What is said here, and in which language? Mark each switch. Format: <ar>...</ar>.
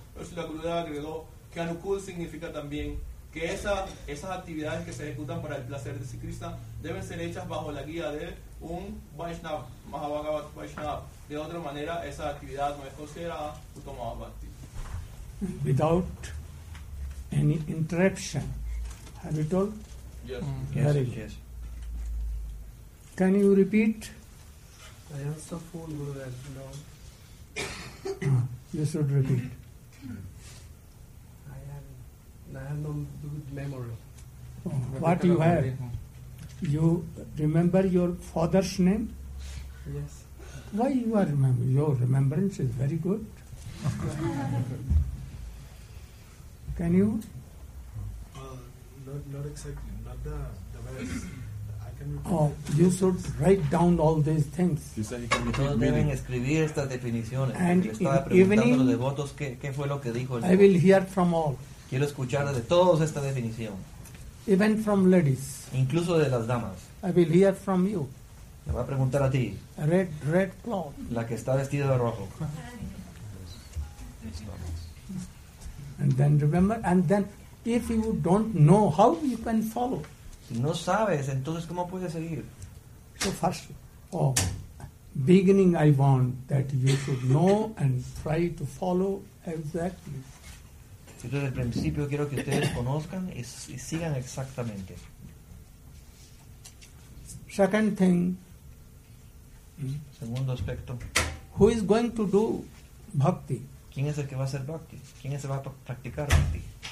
<es>Pero Srila Gurudeva agregó que anukul significa también que esas actividades que se ejecutan para el placer de Krishna deben ser hechas bajo la guía de un Vaishnav, Mahabhagavat Vaishnav. De otra manera, esa actividad no es considerada uttam bhakti.</es> <en>Without any interruption, have you told? Yes. Can you repeat? I am so full, Guru Arjuna. You should repeat. I have no good memory. What you have? You remember your father's name? Yes. Why you are remember? Your remembrance is very good. Can you? Not exactly. You should write down all these things.</en> <es>Escribir estas definiciones.</es> <en>And evening,</en> <es>los devotos qué fue lo que dijo.</es> <en>I will hear from all.</en> <es>Quiero escuchar de todos esta definición.</es> <en>Even from ladies.</en> <es>Incluso de las damas.</es> <en>I will hear from you.</en> <es>Me va a preguntar a ti.</es> <en>Red cloth.</en> <es>La que está vestida de rojo.</es> <en>And then remember, and then if you don't know, how you can follow?</en> <es>No sabes, entonces cómo puedes seguir.</es> <en>So first, beginning, I want that you should know and try to follow exactly.</en> <es>Entonces, al principio quiero que ustedes conozcan y sigan exactamente.</es> <en>Second thing.</en> <es>Segundo aspecto.</es> <en>Who is going to do bhakti?</en> <es>¿Quién es el que va a hacer bhakti? ¿Quién es el que va a practicar bhakti?</es>